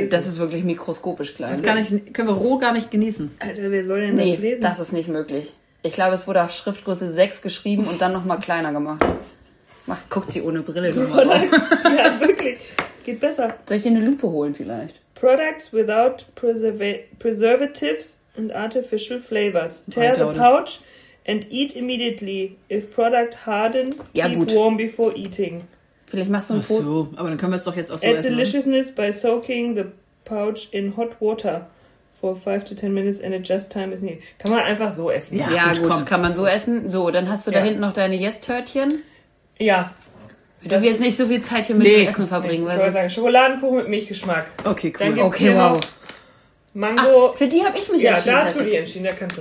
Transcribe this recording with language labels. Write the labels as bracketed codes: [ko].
[de] Also, das ist wirklich mikroskopisch klein. Das können wir roh gar nicht genießen. Alter, wer soll denn das lesen? Das ist nicht möglich. Ich glaube, es wurde auf Schriftgröße 6 geschrieben und dann nochmal kleiner gemacht. Guckt sie ohne Brille nochmal. Ja, wirklich. Geht besser. Soll ich dir eine Lupe holen vielleicht? [en] Products without preservatives and artificial flavors. Tear the pouch. And eat immediately. If product harden, keep warm before eating. [de] Vielleicht machst du ein Foto. Ach so, aber dann können wir es doch jetzt auch so essen. [en] Add deliciousness by soaking the pouch in hot water. for 5 to 10 minutes and adjust time is needed. [de] Kann man einfach so essen. Ja gut, gut, kann man so essen. So, dann hast du da hinten noch deine Yes-Törtchen. Ja. Wir dürfen jetzt nicht so viel Zeit hier mit dem Essen verbringen. Ich wollte sagen, Schokoladenkuchen mit Milchgeschmack. Okay, cool. Dann gibt's okay, hier wow. Mango. Ach, für die habe ich mich entschieden. Ja, da hast du die entschieden. Da kannst du